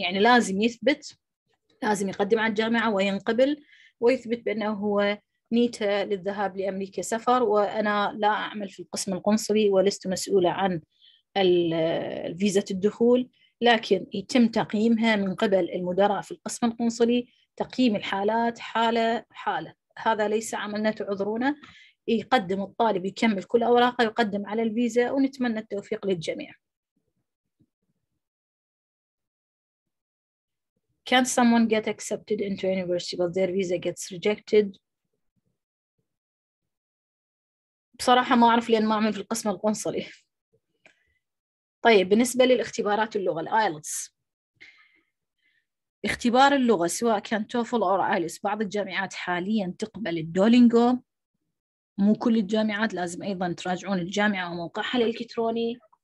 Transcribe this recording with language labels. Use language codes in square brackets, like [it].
[ar] يعني لازم يثبت، لازم يقدم على الجامعة وينقبل ويثبت بأنه هو نيته للذهاب لأمريكا سفر، وأنا لا أعمل في القسم القنصلي ولست مسؤولة عن الفيزا الدخول، لكن يتم تقييمها من قبل المدراء في القسم القنصلي، تقييم الحالات حالة حالة، هذا ليس عملنا تعذرونا. يقدم الطالب، يكمل كل أوراقه، يقدم على الفيزا، ونتمنى التوفيق للجميع. [en] Can someone get accepted into university but their visa gets rejected? [ar] بصراحة ما أعرف لأن ما أعمل في القسم القنصلي. طيب، بالنسبة للاختبارات اللغة الآيلتس، اختبار اللغة سواء كان توفل أو آيلتس، بعض الجامعات حالياً تقبل الدولينجو، مو كل الجامعات، لازم أيضاً تراجعون الجامعة وموقعها الإلكتروني.